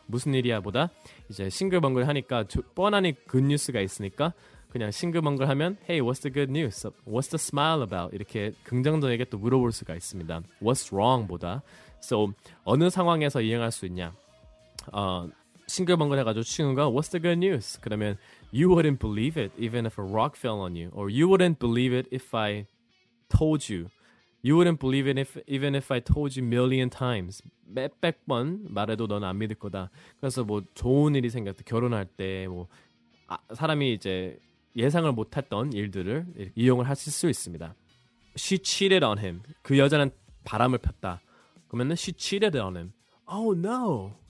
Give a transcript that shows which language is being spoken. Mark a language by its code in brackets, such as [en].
[ko] 무슨 일이야 보다 이제 싱글벙글 하니까 뻔하니 good news가 있으니까 그냥 싱글벙글 하면 [en] Hey, what's the good news? What's the smile about? [ko] 이렇게 긍정적에게 또 물어볼 수가 있습니다. [en] What's wrong? [ko] 보다 So, 어느 상황에서 이행할 수 있냐? 싱글벙글 해가지고 친구가 [en] What's the good news? 그러면 You wouldn't believe it even if a rock fell on you. Or you wouldn't believe it if I told you. You wouldn't believe it if, even if I told you a million times. [ko] 몇백 번 말해도 넌 안 믿을 거다. 그래서 뭐 좋은 일이 생겼다. 결혼할 때 뭐 사람이 이제 예상을 못했던 일들을 이용을 하실 수 있습니다. [en] She cheated on him. [ko] 그 여자는 바람을 폈다. 그러면 [en] She cheated on him. Oh no!